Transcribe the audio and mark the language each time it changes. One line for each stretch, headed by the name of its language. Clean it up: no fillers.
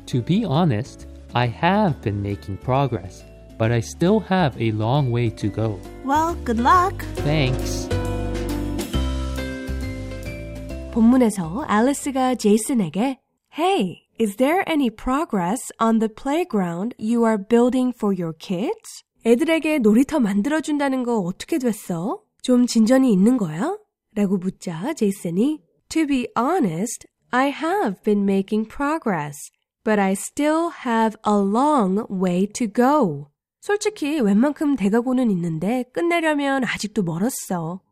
English: To be honest, I have been making progress, but I still have a long way to go. Well, good luck. Thanks.
Korean: 본문에서 알리스가 제이슨에게
English: Hey, is there any progress on the playground you are building for your kids?
Korean: 애들에게 놀이터 만들어준다는 거 어떻게 됐어? 좀 진전이 있는 거야? 라고 묻자 제이슨이
English: To be honest, I have been making progress, but I still have a long way to go.
Korean: 솔직히 웬만큼 돼가고는 있는데 끝내려면 아직도 멀었어.